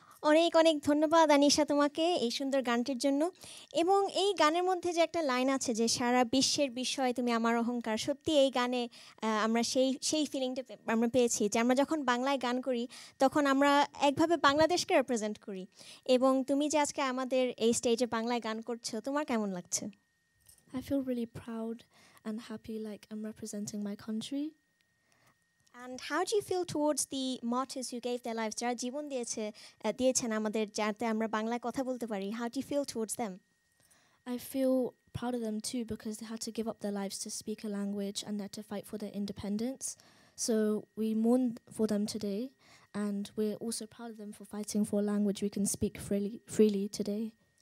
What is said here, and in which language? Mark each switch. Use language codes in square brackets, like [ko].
[bn] অনেক ধন্যবাদ আনিশা তোমাকে এই সুন্দর গানটির জন্য এবং এই গানের মধ্যে যে একটা লাইন আছে যে সারা বিশ্বের বিষয় তুমি আমার অহংকার সত্যি এই গানে আমরা সেই ফিলিংটা আমরা পেয়েছি যে আমরা যখন বাংলায় গান করি তখন আমরা একভাবে বাংলাদেশকে রিপ্রেজেন্ট করি এবং তুমি যে আজকে আমাদের এই স্টেজে বাংলায় গান করছো তোমার কেমন লাগছে [en] I feel really proud and happy like I am representing my country And how do you feel towards the martyrs who gave their lives? [bn] যারা জীবন দিয়েছেন আমাদের যাতে আমরা বাংলায় কথা বলতে পারি. [en] How do you feel towards them? I feel proud of them too because they had to give up their lives to speak a language and they had to fight for their independence. So we mourn for them today and we're also proud of them for fighting for a language we can speak freely today.